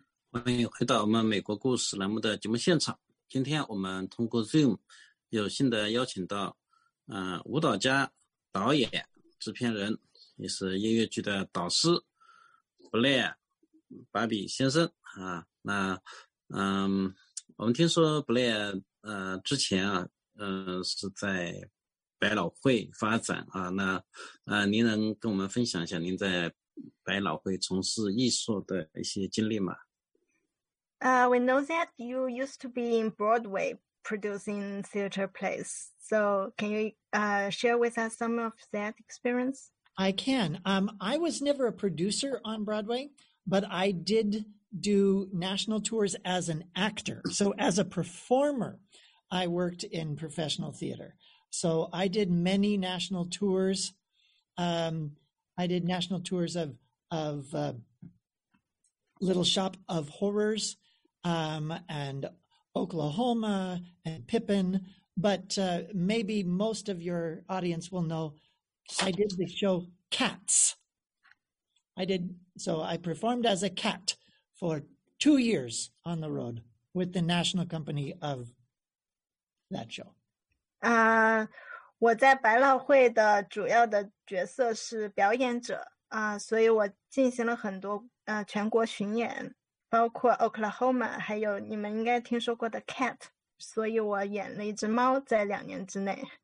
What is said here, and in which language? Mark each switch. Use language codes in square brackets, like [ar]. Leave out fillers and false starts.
[zh] 欢迎回到我们美国故事栏目的节目现场。今天我们通过 Zoom 有幸的邀请到舞蹈家、导演、制片人，也是音乐剧的导师布莱尔·巴比先生啊。那我们听说布莱尔之前是在百老汇发展啊。那您能跟我们分享一下您在百老汇从事艺术的一些经历吗？ [en] We know that you used to be in Broadway producing theater plays. So can you share with us some of that experience? I can. I was never a producer on Broadway, but I did do national tours as an actor. So as a performer, I worked in professional theater. So I did many national tours. I did national tours of Little Shop of Horrors. And Oklahoma and Pippin, but maybe most of your audience will know I did the show Cats. I performed as a cat for 2 years on the road with the national company of that show. [zh] 我在百老汇的主要的角色是表演者啊，所以我进行了很多全国巡演。包括 Oklahoma， 还有你们应该听说过的 Cat， 所以我演了一只猫在两年之内。